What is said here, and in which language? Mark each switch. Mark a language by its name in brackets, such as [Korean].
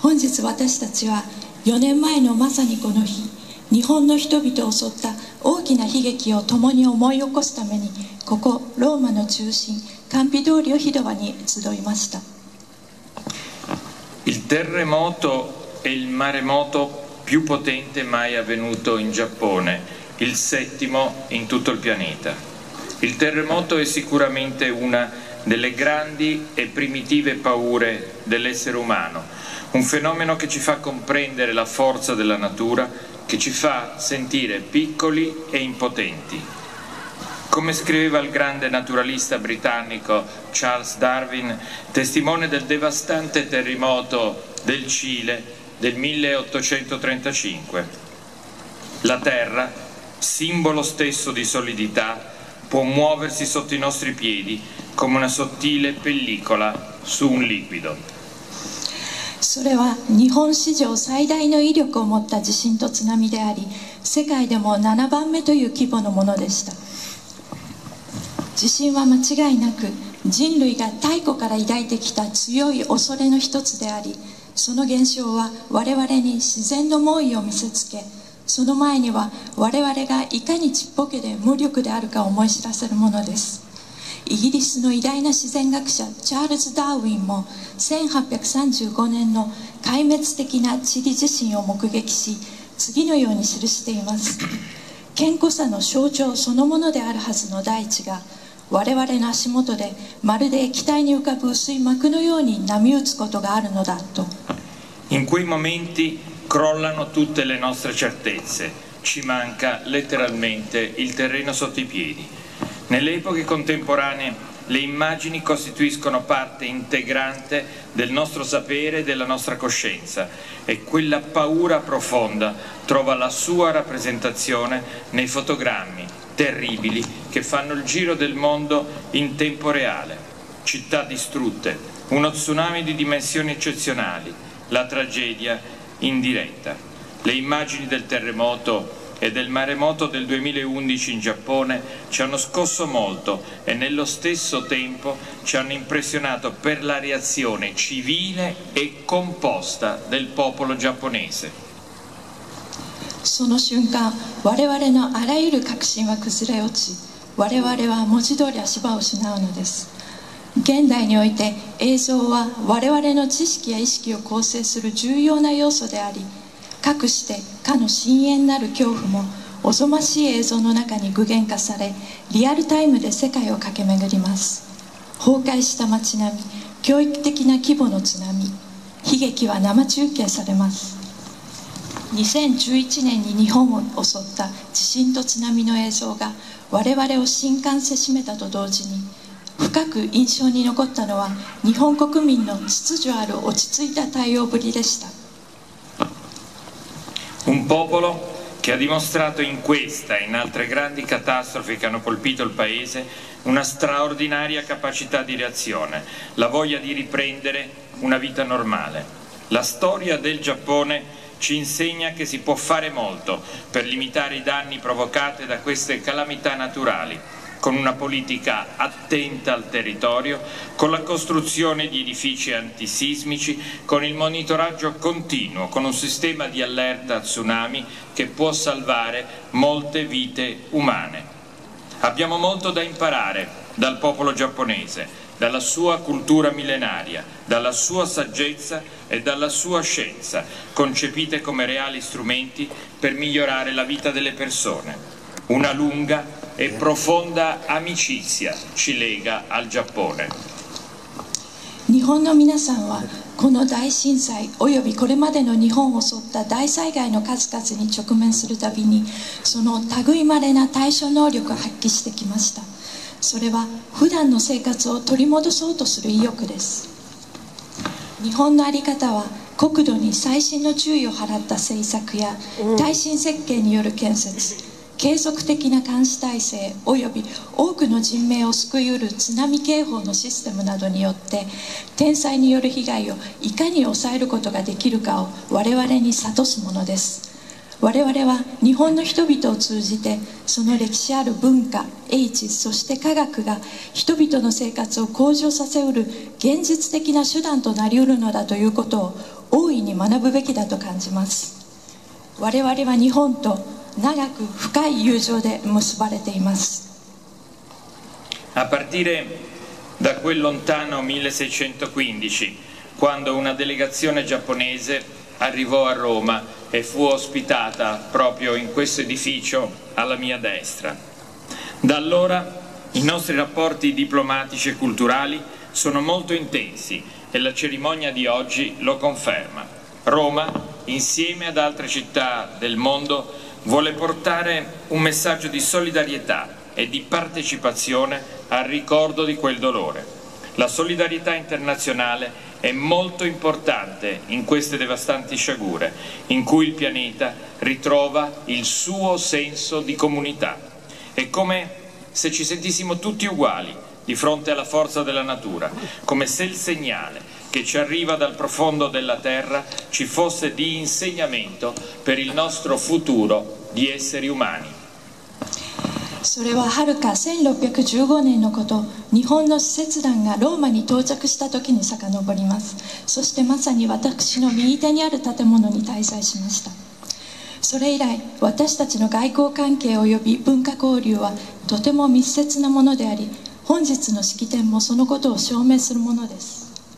[Japanese] 本日私たちは4年前のまさにこの日、日本の人々を襲った大きな悲劇を共に思い起こすためにここローマの中心カンピドーリオ広場に集いました。 [Italian] Il terremoto è il maremoto più potente mai avvenuto in Giappone, il 7° in tutto il pianeta. Il terremoto è sicuramente una delle grandi e primitive paure dell'essere umano, un fenomeno che ci fa comprendere la forza della natura, che ci fa sentire piccoli e impotenti. Come scriveva il grande naturalista britannico Charles Darwin, testimone del devastante terremoto del Cile del 1835, la terra, simbolo stesso di solidità, può muoversi sotto i nostri piedi come una sottile pellicola su un liquido. [Japanese] それは日本史上最大の威力を持った地震と津波であり、世界でも7番目という規模のものでした。地震は間違いなく人類が太古から抱いてきた強い恐れの一つであり、その現象は我々に自然の猛威を見せつけ、その前には我々がいかにちっぽけで無力であるかを思い知らせるものです。イギリスの偉大な自然学者チャールズ・ダーウィンも1835年の壊滅的なチリ地震を目撃し、次のように記しています。健康さの象徴そのものであるはずの大地が、我々の足元でまるで液体に浮かぶ薄い膜のように波打つことがあるのだと。 [Italian] In quei momenti crollano tutte le nostre certezze, ci manca letteralmente il terreno sotto i piedi. Nelle epoche contemporanee le immagini costituiscono parte integrante del nostro sapere e della nostra coscienza, e quella paura profonda trova la sua rappresentazione nei fotogrammi terribili che fanno il giro del mondo in tempo reale. Città distrutte, uno tsunami di dimensioni eccezionali, la tragedia in diretta. Le immagini del terremoto e del maremoto del 2011 in Giappone ci hanno scosso molto e nello stesso tempo ci hanno impressionato per la reazione civile e composta del popolo giapponese. [Japanese] その瞬間、我々のあらゆる確信は崩れ落ち、我々は文字通り足場を失うのです。現代において映像は我々の知識や意識を構成する重要な要素であり、かくしてかの深遠なる恐怖もおぞましい映像の中に具現化され、リアルタイムで世界を駆け巡ります。崩壊した街並み、教育的な規模の津波、悲劇は生中継されます。 2011年に日本を襲った地震と津波の映像が我々を震撼せしめたと同時に、深く印象に残ったのは日本国民の秩序ある落ち着いた対応ぶりでした。 [Italian] Un popolo che ha dimostrato in questa e in altre grandi catastrofi che hanno colpito il paese una straordinaria capacità di reazione, la voglia di riprendere una vita normale. La storia del Giappone ci insegna che si può fare molto per limitare i danni provocati da queste calamità naturali, con una politica attenta al territorio, con la costruzione di edifici antisismici, con il monitoraggio continuo, con un sistema di allerta tsunami che può salvare molte vite umane. Abbiamo molto da imparare dal popolo giapponese, dalla sua cultura millenaria, dalla sua saggezza e dalla sua scienza, concepite come reali strumenti per migliorare la vita delle persone. Una lunga e profonda amicizia ci lega al Giappone. [Japanese] 日本の皆さんはこの大震災およびこれまでの日本を襲った大災害の数々に直面するたびに、その類いまれな対処能力を発揮してきました。それは普段の生活を取り戻そうとする意欲です。日本の在り方は国土に細心の注意を払った政策や耐震設計による建設、継続的な監視体制および多くの人命を救いうる津波警報のシステムなどによって、天災による被害をいかに抑えることができるかを我々に諭すものです。我々は日本の人々を通じて、その歴史ある文化、英知、そして科学が人々の生活を向上させうる現実的な手段となりうるのだということを大いに学ぶべきだと感じます。我々は日本と長く深い友情で結ばれています。 [Italian] A partire da quel lontano 1615, quando una delegazione giapponese arrivò a Roma e fu ospitata proprio in questo edificio alla mia destra. Da allora i nostri rapporti diplomatici e culturali sono molto intensi e la cerimonia di oggi lo conferma. Roma, insieme ad altre città del mondo, vuole portare un messaggio di solidarietà e di partecipazione al ricordo di quel dolore. La solidarietà internazionale è molto importante in queste devastanti sciagure, in cui il pianeta ritrova il suo senso di comunità. È come se ci sentissimo tutti uguali di fronte alla forza della natura, come se il segnale che ci arriva dal profondo della terra ci fosse di insegnamento per il nostro futuro di esseri umani. [Japanese] それははるか1615年のこと、日本の使節団がローマに到着した時に遡ります。そしてまさに私の右手にある建物に滞在しました。それ以来、私たちの外交関係及び文化交流はとても密接なものであり、本日の式典もそのことを証明するものです。